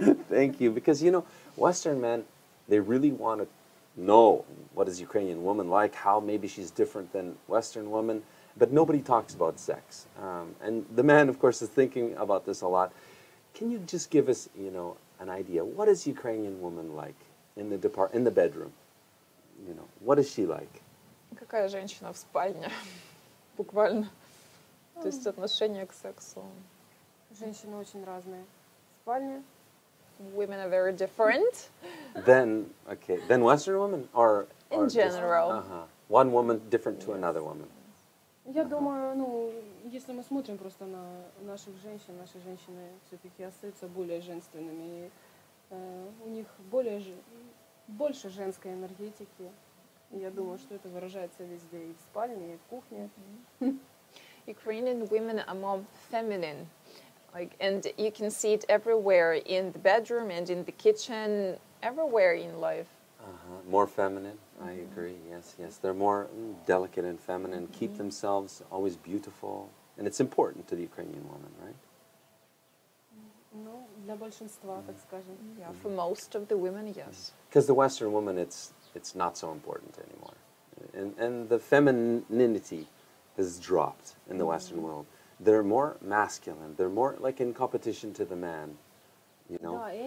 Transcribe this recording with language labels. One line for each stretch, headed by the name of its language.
English: Thank you, because you know, Western men, they really want to know what is Ukrainian woman like, how maybe she's different than Western woman, but nobody talks about sex. And the man, of course, is thinking about this a lot. Can you just give us, you know, an idea? What is Ukrainian woman like in the in the bedroom? You know, what is she like?
Russian: Какая женщина в спальне? Буквально. То есть отношение к сексу. Женщины очень разные. Спальня.
English: Women are very different. Then, okay, then Western women are... In general. Uh-huh. One woman different to another woman.
Russian: Я думаю, ну, если мы смотрим просто на наших женщин, наши женщины все-таки остаются более женственными. И, у них более больше женской энергетики. Я думаю, что это выражается везде, и в спальне, и в кухне.
English: Ukrainian women are more feminine. Like, and you can see it everywhere, in the bedroom and in the kitchen, everywhere in life. Uh-huh. More feminine, mm-hmm. I agree, yes, yes. They're more delicate and feminine, mm-hmm. keep themselves always beautiful. And it's important to the Ukrainian woman, right?
Russian: No, для большинства, так скажем.
English: Yeah, for most of the women, yes. Because the Western woman, it's not so important anymore. And the femininity has dropped in the Western mm-hmm. world. They're more masculine. They're more like in competition to the man, you know.